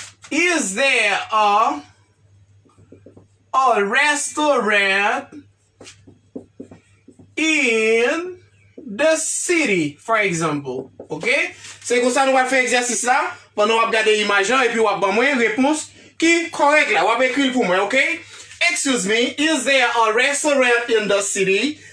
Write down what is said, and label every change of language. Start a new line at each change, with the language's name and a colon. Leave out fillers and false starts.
English: Is there a restaurant in the city, for example? Okay?
French: C'est comme ça nous allons faire exercice là. Pendant qu'on va regarder l'image et puis on va avoir une réponse qui est correcte là. On va écrire pour moi, okay?
English: Excuse me, is there a restaurant in the city?